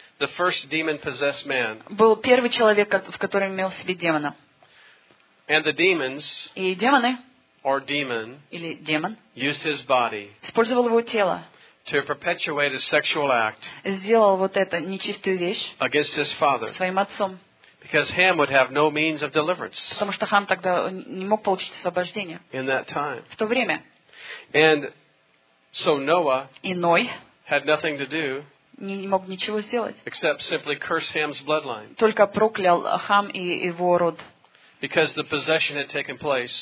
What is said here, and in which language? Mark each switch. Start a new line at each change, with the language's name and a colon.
English: The first demon possessed man.
Russian: Был первый человек, в котором имел в себе демона.
English: And the demons.
Russian: И демоны.
English: Or demon.
Russian: Или демон.
English: Used his body.
Russian: Использовал его тело.
English: To perpetuate a sexual act.
Russian: Сделал вот это нечистую вещь.
English: Against his father.
Russian: Своим отцом.
English: Because Ham would have no means of deliverance.
Russian: Потому что Хам тогда не мог получить освобождение.
English: In that time.
Russian: В то время.
English: And so Noah.
Russian: И Ной.
English: Had nothing to do.
Russian: Не мог ничего сделать.
English: Except simply curse Ham's bloodline.
Russian: Только проклял Хам и его род.
English: Because the possession had taken place.